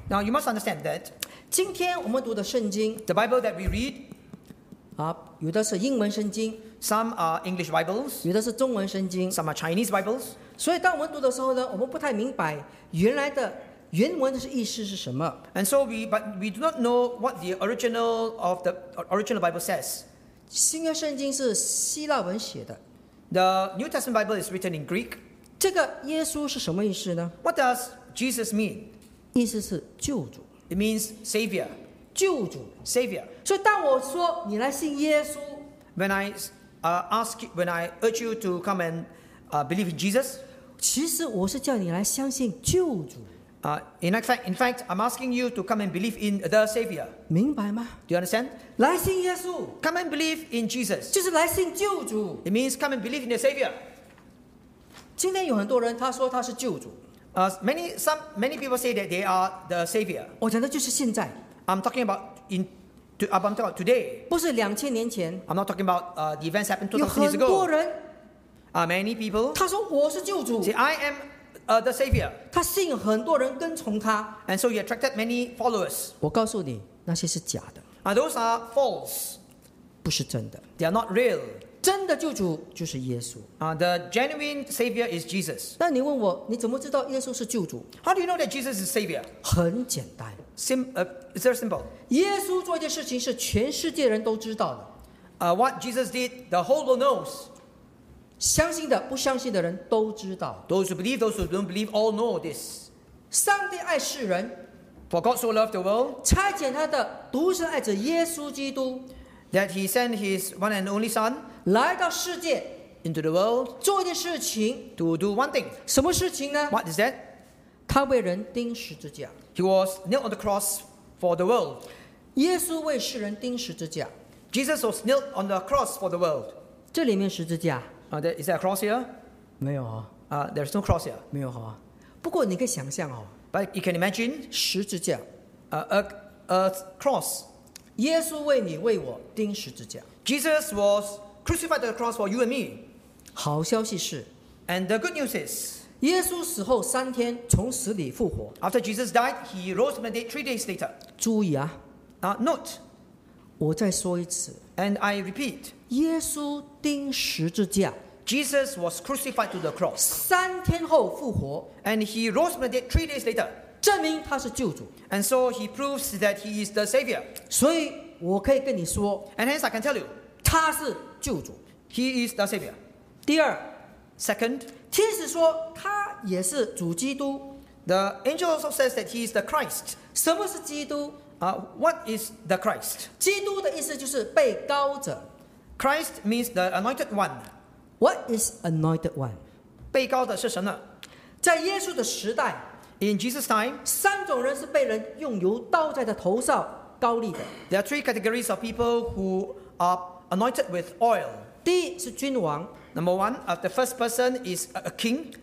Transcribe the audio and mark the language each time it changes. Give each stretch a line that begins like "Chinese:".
English: Now you must understand that.
Chinese: 今天我们读的圣经。
English: The Bible that we read.
Chinese: 啊，有的是英文圣经。
English: Some are English Bibles.
Chinese: 有的是中文圣经。
English: Some are Chinese Bibles.
Chinese: 所以当我们读的时候呢，我们不太明白原来的原文的意思是什么。
English: And so we do not know what the original Bible says.
Chinese: 新约圣经是希腊文写的。
English: The New Testament Bible is written in Greek.
Chinese: 这个耶稣是什么意思呢
English: ？What does Jesus mean?
Chinese: 意思是救主。
English: It means Savior.
Chinese: 救主
English: ，Savior.
Chinese: 所以当我说你来信耶稣
English: when I urge you to come and believe in Jesus,
Chinese: 其实我是叫你来相信救主。
English: In fact, I'm asking you to come and believe in the Savior.
Chinese: 明白吗
English: ？Do you understand?
Chinese: 来信耶稣。
English: Come and believe in Jesus.
Chinese: 就是来信救主。
English: It means come and believe in the Savior.
Chinese: 今天有很多人他说他是救主。
English: Many people say that they are the Savior.
Chinese: 我讲的就是现在。
English: I'm talking about today.
Chinese: 不是两千年前。
English: I'm not talking about the events happened 2,000 years ago.
Chinese: 有很多人。
English: Many people.
Chinese: 他说我是救主。
English: See, I am. The Savior.
Chinese: 他吸引很多人跟从他
English: ，and so he attracted many followers.
Chinese: 我告诉你，那些是假的。
English: Those are false.
Chinese: 不是真的。
English: They are not real.
Chinese: 真的救主就是耶稣。
English: The genuine Savior is Jesus.
Chinese: 那你问我，你怎么知道耶稣是救主
English: ？How do you know that Jesus is Savior?
Chinese: 很简单。
English: It's very simple.
Chinese: 耶稣做一件事情是全世界人都知道的。
English: What Jesus did, the whole world knows.
Chinese: 相信的不相信的人都知道
English: Those who believe, those who don't believe all know this
Chinese: 上帝爱世人
English: For God so loved the world
Chinese: 差遣他的独生爱子耶稣基督
English: That he sent his one and only son
Chinese: 来到世界
English: Into the world
Chinese: 做一件事情
English: To do one thing
Chinese: 什么事情呢
English: What is that?
Chinese: 他为人钉十字架
English: He was nailed on the cross for the world
Chinese: 耶稣为世人钉十字架
English: Jesus was nailed on the cross for the world
Chinese: 这里面十字架
English: Is there a cross here?
Chinese: 没有啊。
English: There's no cross here.
Chinese: 没有啊。不过你可以想象哦。
English: But you can imagine.
Chinese: 十字架。
English: A cross.
Chinese: 耶稣为你为我钉十字架。
English: Jesus was crucified on the cross for you and me.
Chinese: 好消息是。
English: And the good news is.
Chinese: 耶稣死后三天从死里复活。
English: After Jesus died, he rose from the dead 3 days later.
Chinese: 注意啊。
English: Note.
Chinese: 我再说一次。
English: And I repeat.
Chinese: 耶稣钉十字架。
English: Jesus was crucified to the cross.
Chinese: 三天后复活。
English: And he rose from the dead 3 days later.
Chinese: 证明他是救主。
English: And so he proves that he is the Savior.
Chinese: 所以我可以跟你说。
English: And hence I can tell you.
Chinese: 他是救主。
English: He is the Savior.
Chinese: 第二。
English: Second.
Chinese: 天使说他也是主基督。
English: The angel also says that he is the Christ.
Chinese: 什么是基督？
English: What is the Christ?
Chinese: 基督的意思就是被膏者。
English: Christ means the anointed one. What is anointed one?
Chinese: 被膏的是什么？在耶稣的时代
English: ，In Jesus' time,
Chinese: 三种人是被人用油倒在的头上膏立的。
English: There are three categories of people who are anointed with oil.
Chinese: 第一是君王。
English: Number one, the first person is a king.